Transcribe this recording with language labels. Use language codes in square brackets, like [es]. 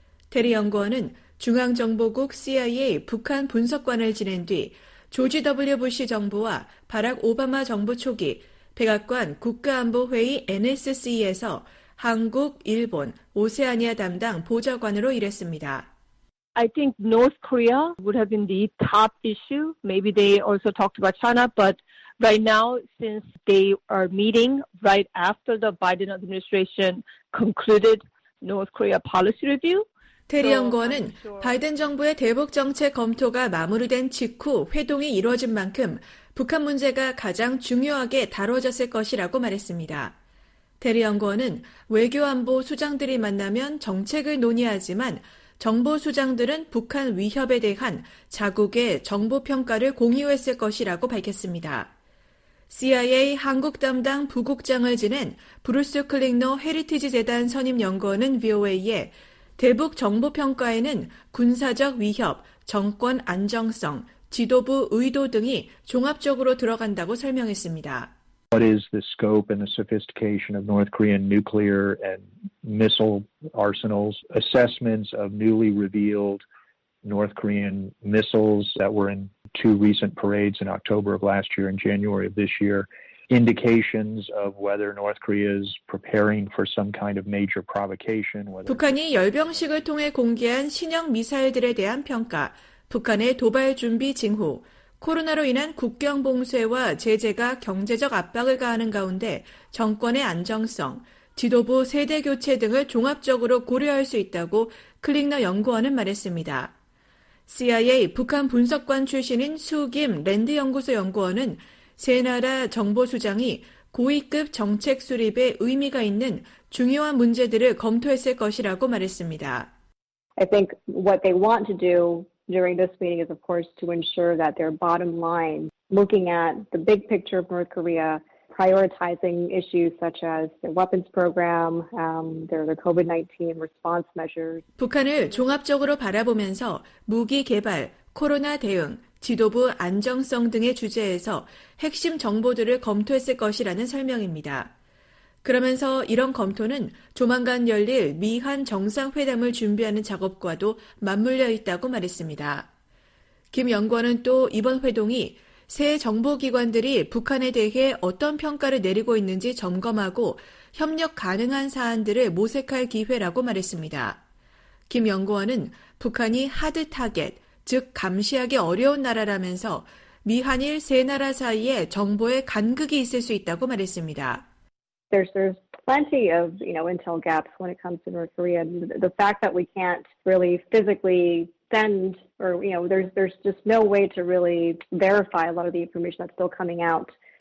[ko] 테리 연구원은 중앙정보국 CIA 북한 분석관을 지낸 뒤 조지 W. 부시 정부와 바락 오바마 정부 초기 백악관 국가안보회의 NSC에서 한국, 일본, 오세아니아 담당 보좌관으로 일했습니다. [en] I think North Korea would have been the top issue. Maybe they also talked about China, but right now, since they are meeting right after the Biden administration concluded North Korea policy review. [ko] 테리 연구원은 바이든 정부의 대북 정책 검토가 마무리된 직후 회동이 이루어진 만큼 북한 문제가 가장 중요하게 다뤄졌을 것이라고 말했습니다. 테리 연구원은 외교안보 수장들이 만나면 정책을 논의하지만 정보 수장들은 북한 위협에 대한 자국의 정보 평가를 공유했을 것이라고 밝혔습니다. CIA 한국 담당 부국장을 지낸 브루스 클링너 헤리티지 재단 선임 연구원은 VOA에 대북 정보 평가에는 군사적 위협, 정권 안정성, 지도부 의도 등이 종합적으로 들어간다고 설명했습니다. [en] What is the scope and the sophistication of North Korean nuclear and missile arsenals? Assessments of newly revealed North Korean missiles that were in two recent parades in October of last year and January of this year. Indications of whether North Korea is preparing for some kind of major provocation. [ko] 북한이 열병식을 통해 공개한 신형 미사일들에 대한 평가, 북한의 도발 준비 징후, 코로나로 인한 국경 봉쇄와 제재가 경제적 압박을 가하는 가운데 정권의 안정성, 지도부 세대 교체 등을 종합적으로 고려할 수 있다고 클링너 연구원은 말했습니다. CIA 북한 분석관 출신인 수김 랜드 연구소 연구원은 세 나라 정보 수장이 고위급 정책 수립에 의미가 있는 중요한 문제들을 검토했을 것이라고 말했습니다. [en] I think what they want to do during this meeting is, of course, to ensure that their bottom line, looking at the big picture of North Korea, prioritizing issues such as their weapons program, their COVID-19 response measures. [ko] 북한을 종합적으로 바라보면서 무기 개발, 코로나 대응, 지도부 안정성 등의 주제에서 핵심 정보들을 검토했을 것이라는 설명입니다. 그러면서 이런 검토는 조만간 열릴 미한 정상회담을 준비하는 작업과도 맞물려 있다고 말했습니다. 김 연구원은 또 이번 회동이 새 정보기관들이 북한에 대해 어떤 평가를 내리고 있는지 점검하고 협력 가능한 사안들을 모색할 기회라고 말했습니다. 김 연구원은 북한이 하드 타겟, 즉 감시하기 어려운 나라라면서 미한일 세 나라 사이에 정보의 간극이 있을 수 있다고 말했습니다. [en] There's plenty of, you know, intel gaps when it comes to North Korea. The fact that we can't really physically send or, you know, there's just no way to really verify a lot of the information that's still coming out.